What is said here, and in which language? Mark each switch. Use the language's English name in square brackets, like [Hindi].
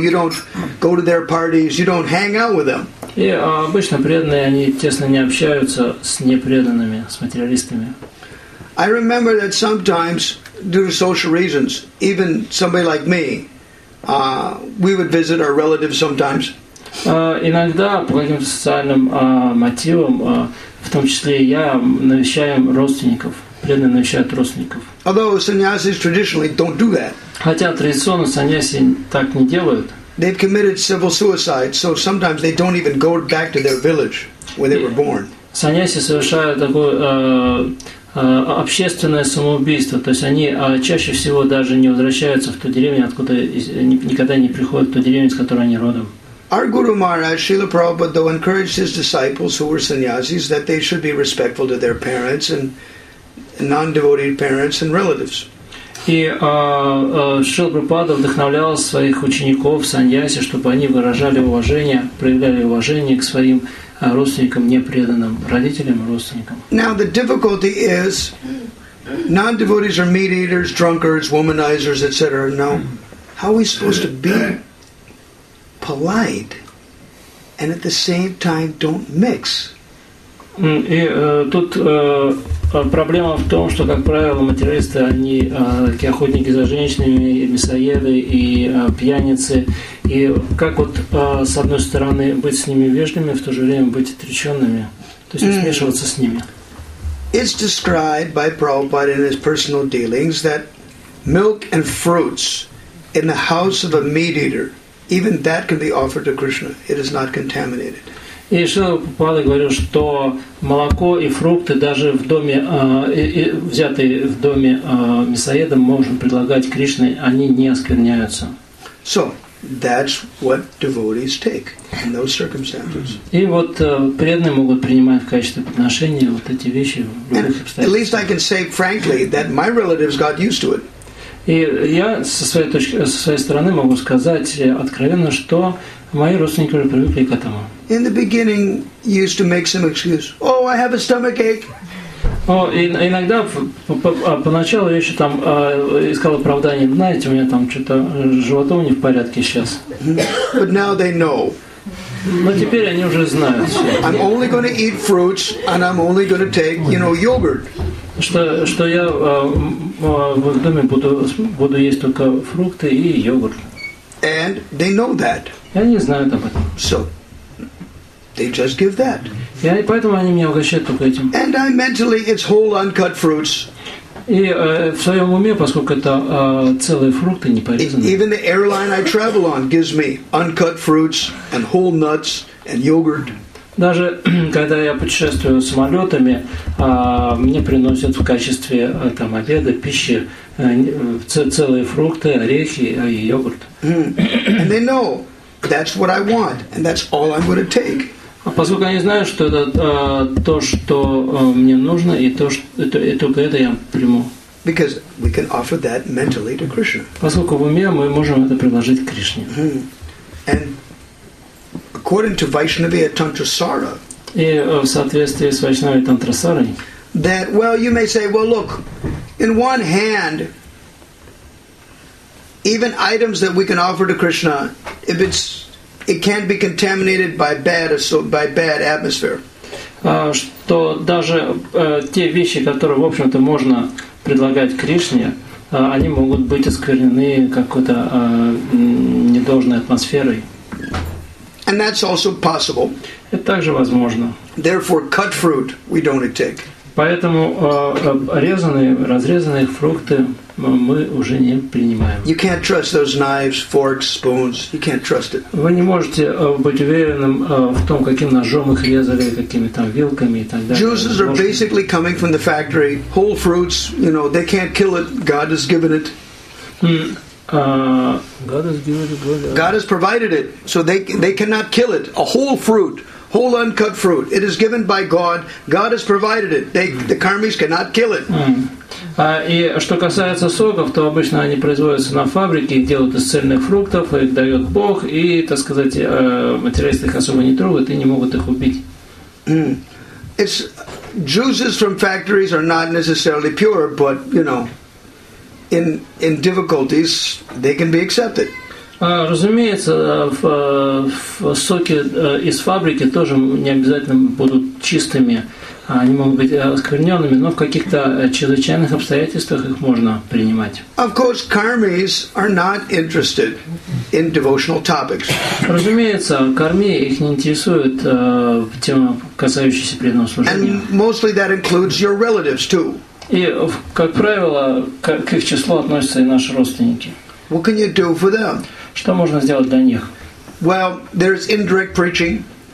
[English] You don't go to their parties. You don't hang out with them. [Russian] И обычно преданные они тесно не общаются с непреданными, с материалистами. [English] I remember that sometimes, due to social reasons, even somebody like me, we would visit our relatives sometimes. [Russian] Иногда по каким-то социальным мотивам, в том числе и я, навещаем родственников. Преданные навещают родственников. [English] Although sannyasis traditionally don't do that. [Russian] Хотя традиционно саньяси так не делают. [English] They've committed civil suicide, so sometimes they don't even go back to their village where they were born. [Russian] Саньяси совершают такое общественное самоубийство, то есть они чаще всего даже не возвращаются в ту деревню, откуда никогда не приходят в ту деревню, с которой они родом. [English] Our Guru Maharaj, Srila Prabhupada, though encouraged his disciples who were sannyasis that they should be respectful to their parents and non-devoted parents and relatives. [Russian] И Шрила Прабхупада вдохновлял своих учеников, саньяси, чтобы они выражали уважение, проявляли уважение к своим родственникам, непреданным родителям и родственникам. [English] Now the difficulty is non-devotees are meat eaters, drunkards, womanizers, etc. Now, how are we supposed to be polite and at the same time don't mix. [Russian] И тут проблема в том, что, как правило, материалисты, они такие охотники за женщинами, мясоеды и пьяницы. И как вот с одной стороны быть с ними вежливыми, в то же время быть отреченными, то есть смешиваться с ними. [English] It's described by Prabhupada in his personal dealings that milk and fruits in the house of a meat eater, even that can be offered to Krishna. It is not contaminated. [Russian] И Шрила Прабхупада говорил, что молоко и фрукты даже в доме, взятые в доме мясоеда, можем предлагать Кришне, они не оскверняются. [English] So, that's what devotees take in those circumstances. [Russian] И вот преданные могут принимать в качестве подношения вот эти вещи в любых обстоятельствах. [English] At least I can say frankly that my relatives got used to it. [Russian] И я со своей стороны могу сказать откровенно, что мои родственники уже привыкли к этому. [English] In the beginning, you used to make some excuse. Oh, I have a stomach ache. [Russian] Иногда поначалу я еще там искал оправдание. Знаете, у меня там что-то животом не в порядке сейчас. [English] But now they know. [Russian] Но теперь они уже знают. [English] I'm only going to eat fruits, and I'm only going to take, you know, yogurt. [Russian] Что я в доме буду есть только фрукты и йогурт. [English] And they know that. [Russian] И они знают об этом. [English] So, they just give that. [Russian] И поэтому они меня угощают только этим. [English] And I mentally, it's whole uncut fruits. [Russian] И в своем уме, поскольку это целые фрукты, не порезанные. [English] Even the airline I travel on gives me uncut fruits and whole nuts and yogurt. [Russian] Даже когда я путешествую самолетами, мне приносят в качестве там обеда, пищи целые фрукты, орехи и йогурт. [English] And they know that's what I want, and that's all I'm going to take. [Russian] Поскольку они знают, что это то, что мне нужно, и то, что и только это я приму. [English] Because we can offer that mentally to Krishna. [Russian] Поскольку в уме мы можем это предложить Кришне. [English] And according to Vaishnavi Tantra Sara. [Russian] И в соответствии с Вайшнави Тантра Сарой. [English] That well, you may say, well, look, in one hand. Even items that we can offer to Krishna, if it's, it can't be contaminated by bad atmosphere. [Russian] Что даже те вещи, которые в общем-то можно предлагать Кришне, они могут быть осквернены какой-то недолжной атмосферой. [English] And that's also possible. [Russian] Это также возможно. [English] Therefore, cut fruit we don't take. [Russian] Поэтому разрезанные фрукты мы уже не принимаем. [English] You can't trust those knives, forks, spoons. You can't trust it. [Russian] Вы не можете быть уверенным в том, каким ножом их резали, какими там вилками и так далее. [English] Juices are basically coming from the factory. Whole fruits, you know, they can't kill it. God has given it. God has provided it, so they cannot kill it. A whole fruit. Whole uncut fruit. It is given by God. God has provided it. The karmis cannot kill it. [Russian] И что касается соков, то обычно они производятся на фабрике, делают из цельных фруктов, их дает Бог, и, так сказать, материалисты их особо не трогают и не могут их убить. [English] It's juices from factories are not necessarily pure, but you know, in difficulties they can be accepted. [Russian] Разумеется, соки из фабрики тоже не обязательно будут чистыми. Они могут быть оскверненными, но в каких-то чрезвычайных обстоятельствах их можно принимать. [English] Of course, karmis are not interested in devotional topics. [Russian] Разумеется, карми их не интересует тема, касающаяся преданного служения. [English] And mostly that includes your relatives too. [Russian] И, как правило, к их числу относятся и наши родственники. [English] What can you do for them? [Russian] Что можно сделать для них? [English] Well, there's indirect preaching.